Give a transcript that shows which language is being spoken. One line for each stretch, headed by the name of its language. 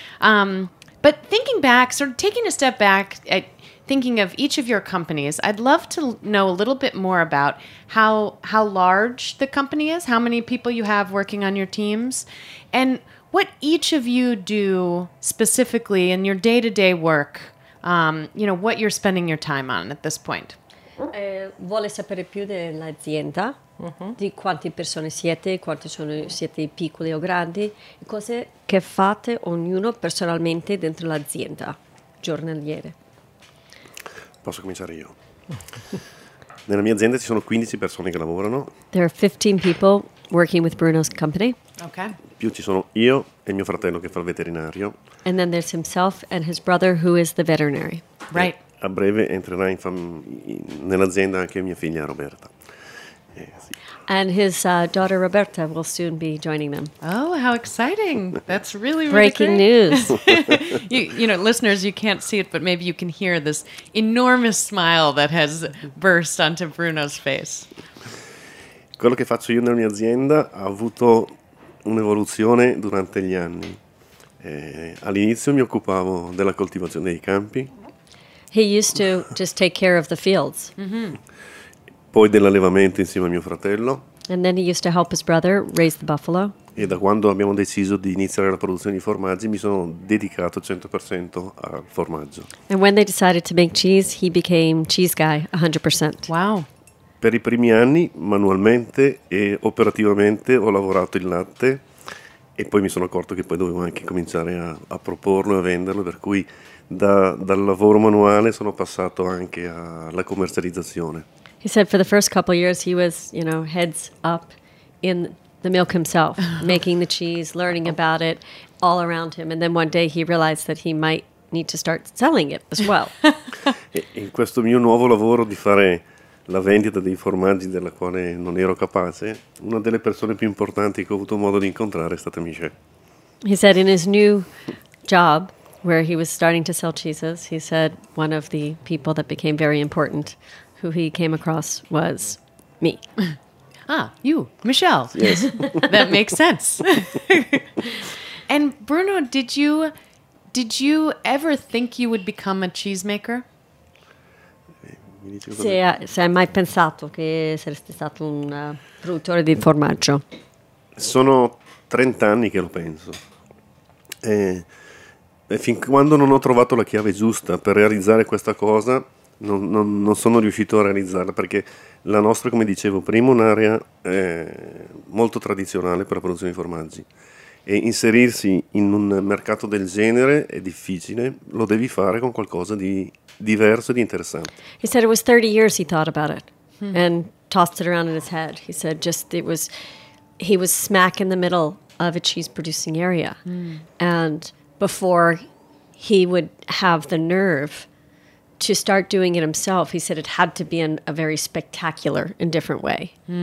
English: But thinking back, sort of taking a step back at thinking of each of your companies, I'd love to know a little bit more about how large the company is, how many people you have working on your teams, and what each of you do specifically in your day-to-day work, you know, what you're spending your time on at this point.
Italian: Vuole sapere più dell'azienda, di quante persone siete, quanti sono, siete piccoli o grandi, cose che fate ognuno personalmente dentro l'azienda, giornaliere. Posso cominciare io? Nella mia azienda ci sono 15 persone che lavorano.
English: There are 15 people working with Bruno's company. Okay.
Italian: Più ci sono io e mio fratello che fa il veterinario.
English: And then there's himself and his brother who is the veterinary. Right. E
Italian: a breve entrerà in nell'azienda anche mia figlia Roberta. Sì.
English: And his daughter Roberta will soon be joining them. Oh, how exciting! That's really, really breaking great. News. you know, listeners, you can't see it, but maybe you can hear this enormous smile that has burst onto Bruno's face.
Italian: Quello che faccio io nella mia azienda ha avuto un'evoluzione durante gli anni. All'inizio mi occupavo della coltivazione dei campi.
English: He used to just take care of the fields.
Italian: Poi dell'allevamento insieme a mio fratello.
English: And then he used to help his brother raise the buffalo.
Italian: E da quando abbiamo deciso di iniziare la produzione di formaggi, mi sono dedicato 100% al formaggio.
English: And when they decided to make cheese, he became cheese guy 100%. Wow.
Italian: Per i primi anni, manualmente e operativamente, ho lavorato il latte e poi mi sono accorto che poi dovevo anche cominciare a proporlo e a venderlo, per cui dal lavoro manuale sono passato anche alla commercializzazione.
English: He said for the first couple of years he was, you know, heads up in the milk himself, making the cheese, learning about it all around him. And then one day he realized that he might need to start selling it as well.
Italian: In questo mio nuovo lavoro di fare la vendita dei formaggi della quale non ero capace, una delle persone più importanti che ho avuto modo di incontrare è stata Michelle.
English: He said in his new job, where he was starting to sell cheeses, he said one of the people that became very important who he came across was me. Ah, you, Michelle. Yes. That makes sense. And Bruno, did you ever think you would become a cheesemaker?
Italian: Se hai mai pensato che saresti stato un produttore di formaggio? Sono 30 anni che lo penso. E fin quando non ho trovato la chiave giusta per realizzare questa cosa, non sono riuscito a realizzarla, perché la nostra, come dicevo prima, è un'area molto tradizionale per la produzione di formaggi. E inserirsi in un mercato del genere è difficile, lo devi fare con qualcosa di diverso e di interessante.
English: He said it was 30 years he thought about it and tossed it around in his head. He said just it was, he was smack in the middle of a cheese producing area. And before he would have the nerve to start doing it himself, he said it had to be in a very spectacular and different way.